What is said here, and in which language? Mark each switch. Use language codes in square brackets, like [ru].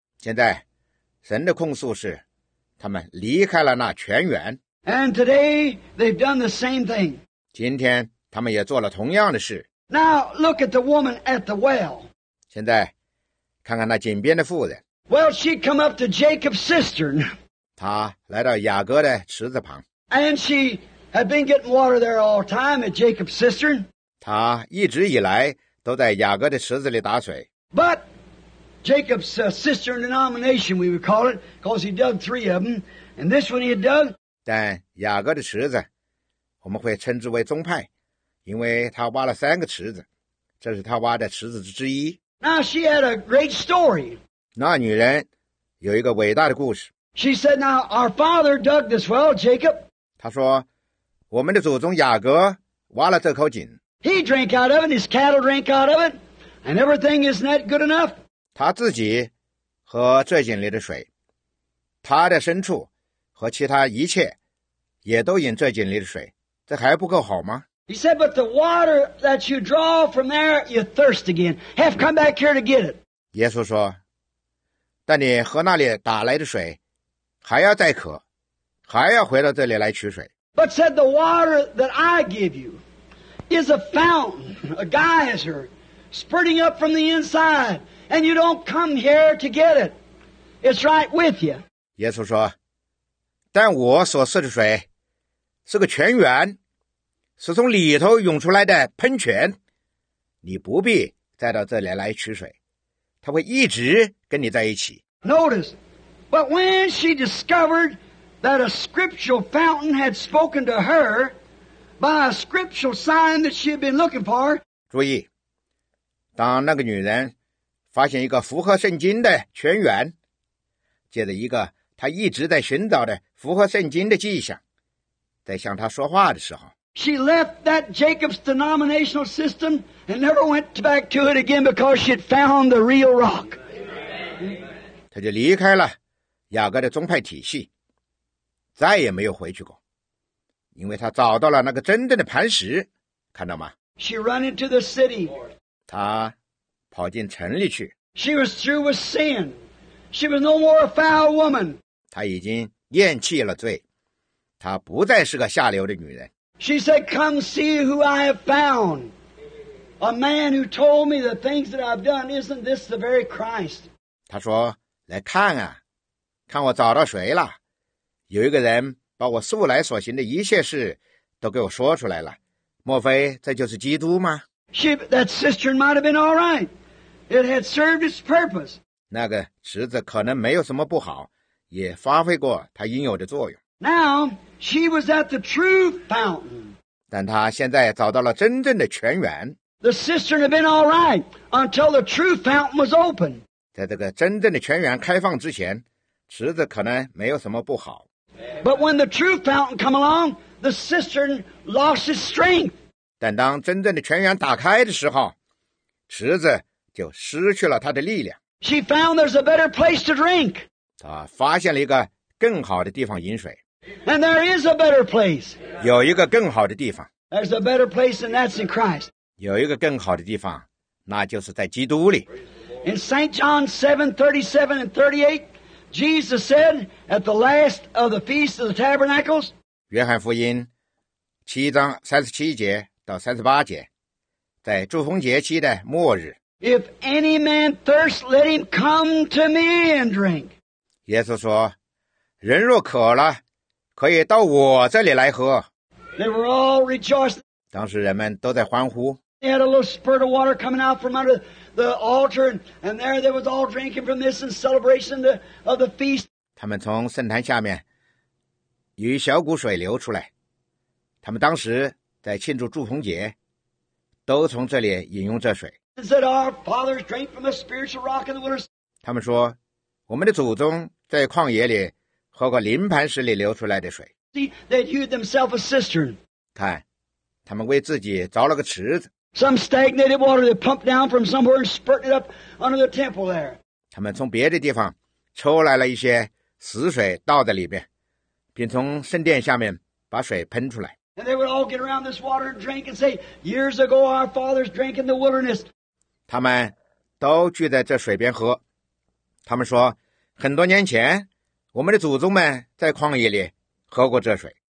[zh] 现在神的控诉是他们离开了那泉源。 [en] And today, they've done the same thing. [zh] 今天他们也做了同样的事。 [en] Now, look at the woman at the well. [zh] 现在看看那井边的妇人。 [en] Well, she'd come up to Jacob's cistern. [zh] 她来到雅各的池子旁。 [en] And she had been getting water there all the time at Jacob's cistern. [zh] 她一直以来都在雅各的池子里打水。 [en] But Jacob's cistern denomination, we would call it, because he dug three of them, and this one he had dug. [zh] 但雅各的池子我们会称之为宗派，因为他挖了三个池子，这是他挖的池子之一。 [en] Now she had a great story. [zh] 那女人有一个伟大的故事。 [en] She said, now our father dug this well, Jacob. [zh] 她说我们的祖宗雅各挖了这口井。 [en] He drank out of it, his cattle drank out of it, and everything isn't that good enough. [zh] 他自己和这井里的水，他的牲畜和其他一切也都饮这井里的水，这还不够好吗？ [en] He said, but the water that you draw from there, you thirst again. Have come back here to get it. [zh] 耶稣说，但你喝那里打来的水还要再渴，还要回到这里来取水。 [en] But said, the water that I give you is a fountain, a geyser, spurting up from the inside, and you don't come here to get it. It's right with you. [zh] 耶稣说，但我所赐的水是个泉源，是从里头涌出来的喷泉，你不必再到这里来取水，它会一直跟你在一起。 [en] Notice, but when she discovered that a scriptural fountain had spoken to her by a scriptural sign that she had been looking for, [zh] 注意，当那个女人发现一个符合圣经的泉源，借着一个她一直在寻找的符合圣经的迹象在向她说话的时候， [en] She left that Jacob's denominational system and never went back to it again because she had found the real rock. [zh] 她就离开了雅各的宗派体系，再也没有回去过，因为她找到了那个真正的磐石，看到吗？ [en] She ran into the city. [zh] 她跑进城里去。 [en] She was through with sin. She was no more a foul woman. [zh] 她已经厌弃了罪，她不再是个下流的女人。 [en] She said, "Come see who I have found, a man who told me the things that I've done. Isn't this the very Christ?" [zh] 她说：“来看啊，看我找到谁了？有一个人把我素来所行的一切事都给我说出来了。莫非这就是基督吗？” [en] She, that cistern might have been all right. It had served its purpose. [zh] 那个池子可能没有什么不好，也发挥过它应有的作用。 [en] Now, she was at the true fountain. [zh] 但她现在找到了真正的泉源。 [en] The cistern had been all right until the true fountain was open. [zh] 在这个真正的泉源开放之前，池子可能没有什么不好。 [en] But when the true fountain came along, the cistern lost its strength. [zh] 但当真正的泉源打开的时候，池子就失去了它的力量。 [en] She found there's a better place to drink. [zh] 她发现了一个更好的地方饮水。 [en] And there is a better place. [zh] 有一个更好的地方。 [en] There's a better place, and that's in Christ. [zh] 有一个更好的地方，那就是在基督里。 [en] In St. John 7:37 and 38, Jesus said at the last of the Feast of the Tabernacles. [zh] 约翰福音七章三十七节到三十八节，在祝棚节期的末日。 [en] If any man thirst, let him come to me and drink. [zh] 耶稣说，人若渴了，可以到我这里来喝。 [en] They were all rejoicing. [zh] 当时人们都在欢呼。 [en] They had a little spurt of water coming out from under the altar, and there they was all drinking from this in celebration of the feast. [zh] 他们从圣坛下面有一小股水流出来，他们当时在庆祝祝棚节，都从这里饮用这水。 [en] They said our fathers drank from a spiritual rock in the wilderness. [zh] 他们说，我们的祖宗在旷野里喝过临盘石里流出来的水。 [en] See, they hewed themselves a cistern. [zh] 看，他们为自己凿了个池子。 [en] Some stagnated water they pumped down from somewhere and spurted it up under the temple there. [zh] 他们从别的地方抽来了一些死水倒在里面，并从圣殿下面把水喷出来。 [en] And they would all get around this water and drink and say, years ago our fathers drank in the wilderness. [zh] 他们都聚在这水边喝。他们说，很多年前，我们的祖宗们在旷野里喝过这水。